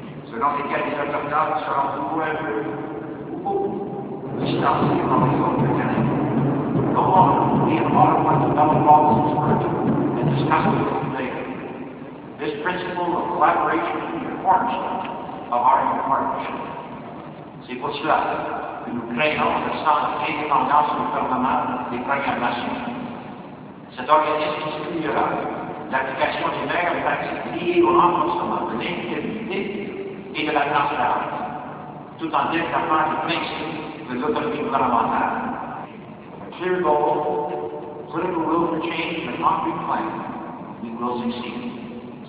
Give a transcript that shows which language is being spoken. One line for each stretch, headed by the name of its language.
English: So now the Kadisha Tapinan, Sara Puruan, Upu, which stops the economic zone for Kenya. No longer will we in Ottawa develop policies for it and discuss it with you later. This principle of collaboration is the cornerstone of our new partnership.
French: C'est pour cela que nous créons le Centre d'indépendance du gouvernement des Premières Nations. Cet organisme soutiendra l'application des meilleures pratiques liées au renforcement de l'intégrité et de la transparence, tout en développant les principes de l'autonomie gouvernementale.
English: A clear goal, political will for change and a concrete plan, we will succeed.